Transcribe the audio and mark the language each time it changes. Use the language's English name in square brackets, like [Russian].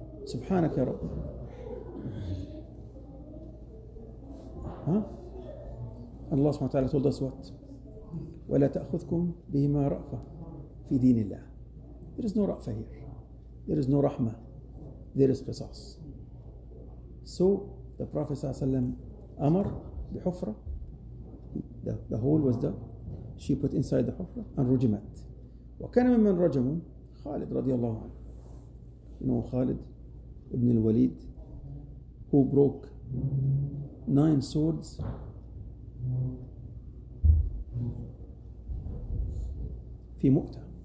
[Arabic] سبحانك يا رب. الله سبحانه وتعالى [English] told us what? [Arabic] ولا تأخذكم بهما رأفة في دين الله. [English] There is no رأفة here. There is no رحمة. There is قصاص. So the Prophet [Arabic] صلى الله عليه وسلم أمر بحفرة. [English] The hole was dug. She put inside the حفرة and رجمت. [Arabic] وكان ممن رجم خالد رضي الله عنه. [English] You know خالد ابن الوليد, who broke 9 swords [Arabic] في مؤتة.